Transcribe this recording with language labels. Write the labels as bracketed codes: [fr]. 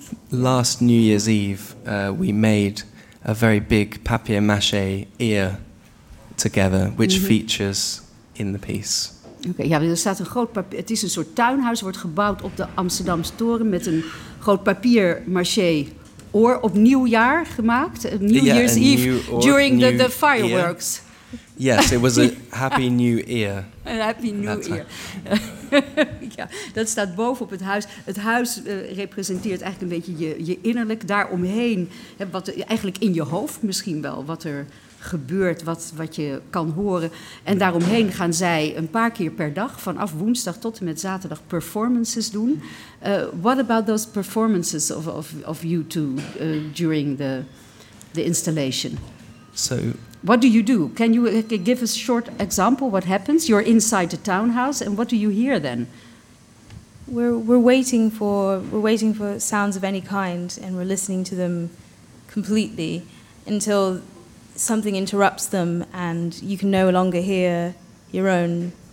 [en] Last New Year's Eve, we made a very big papier-mâché ear together, which features in the piece. [nl] Okay, ja, er staat een groot papier. Het is een soort tuinhuis, wordt gebouwd op de Amsterdamse toren met een groot papier-mâché oor op nieuwjaar gemaakt. [en] New Year's Eve, during the fireworks. Ear. Yes, it was a happy new ear. A happy new ear. [nl] Ja, dat staat bovenop het huis. Het huis representeert eigenlijk een beetje je innerlijk. Daaromheen, wat eigenlijk in je hoofd misschien wel, wat er gebeurt, wat je kan horen. En daaromheen gaan zij een paar keer per dag, vanaf woensdag tot en met zaterdag, performances doen. [en] What about those performances of you two during the installation? So, what do you do? Can you give a short example what happens? You're inside the townhouse, and what do you hear then? We're waiting for sounds of any kind, and we're listening to them completely until something interrupts them, and you can no longer hear your own